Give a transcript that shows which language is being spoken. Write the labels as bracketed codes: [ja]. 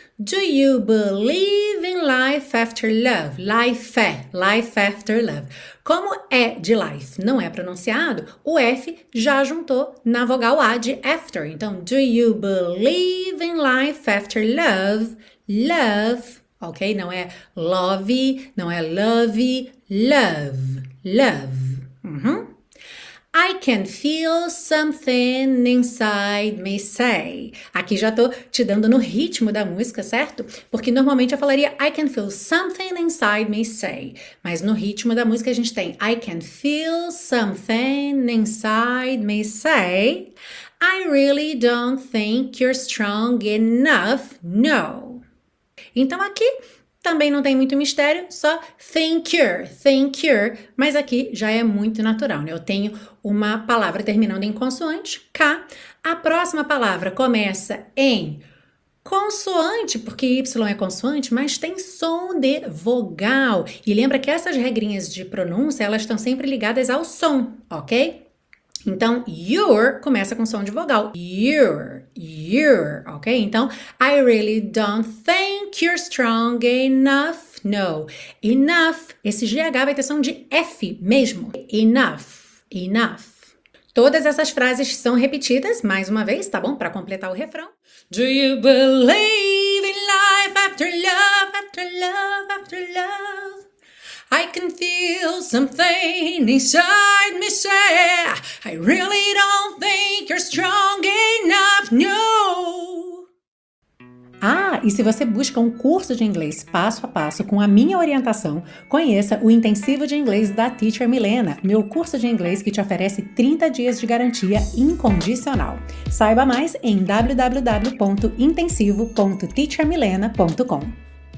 [en] Do you believe in life after love? Life, life after love. [pt] Como é de life não é pronunciado, o F já juntou na vogal A de after. [en] Então, do you believe in life after love? Love, ok? [pt] Não é love, não é love, love, love. Uhum. [en] I can feel something inside me say. [pt] Aqui já tô te dando no ritmo da música, certo? Porque normalmente eu falaria [en] I can feel something inside me say. [pt] Mas no ritmo da música a gente tem [en] I can feel something inside me say. I really don't think you're strong enough. No. [pt] Então aqui também não tem muito mistério, só [en] think you're, [pt] mas aqui já é muito natural, né? Eu tenho uma palavra terminando em consoante, K. A próxima palavra começa em consoante, porque Y é consoante, mas tem som de vogal. E lembra que essas regrinhas de pronúncia, elas estão sempre ligadas ao som, ok? Então, you're começa com som de vogal. [en] You're, ok? Então, I really don't think you're strong enough. [pt] No, enough. Esse GH vai ter som de F mesmo. [en] Enough, enough. [pt] Todas essas frases são repetidas mais uma vez, tá bom? Para completar o refrão. [en] Do you believe in life after love, after love, after love? I can feel something inside me say, I really don't think you're strong enough, no. [pt] Ah, e se você busca um curso de inglês passo a passo com a minha orientação, conheça o Intensivo de Inglês da Teacher Milena, meu curso de inglês que te oferece 30 dias de garantia incondicional. Saiba mais em www.intensivo.teachermilena.com.